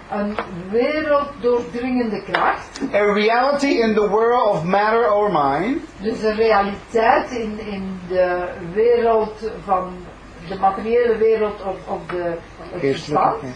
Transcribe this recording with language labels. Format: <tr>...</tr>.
<nl>Een werelddoordringende kracht.</nl> <en>A reality in the world of matter or mind.</en> <nl>Dus een realiteit in de wereld van de materiële wereld of de verstand.</nl>